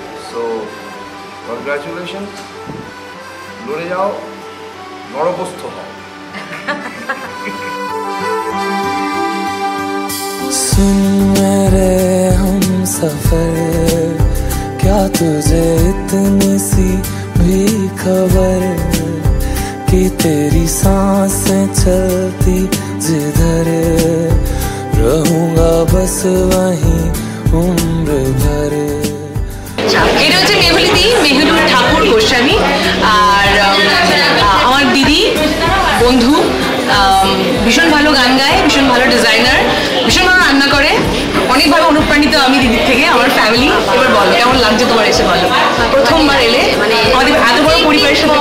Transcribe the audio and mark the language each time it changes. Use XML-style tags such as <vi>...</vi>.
<bn>So congratulation, লড়ে যাও, নরবস্থ হও।</bn> <hi>सुन मेरे हम सफर क्या तुझे इतनी सी भी खबर कि तेरी सांसें चलती जिधर रहूंगा बस वही उम्र भर</hi> <bn>এটা হচ্ছে মেহুলি দি, মেহুলুর ঠাকুর গোস্বামী, আর আমার দিদি বন্ধু, ভীষণ ভালো গান গায়, ভীষণ ভালো ডিজাইনার, ভীষণ ভালো রান্না করে, অনেক ভালো অনুপ্রাণিত আমি দিদির থেকে, আমার ফ্যামিলি। এবার বল কেমন লাগছে তোমার এসে, বলো প্রথমবার এলে, মানে আমাদের এত বড় পরিবারের সাথে</bn>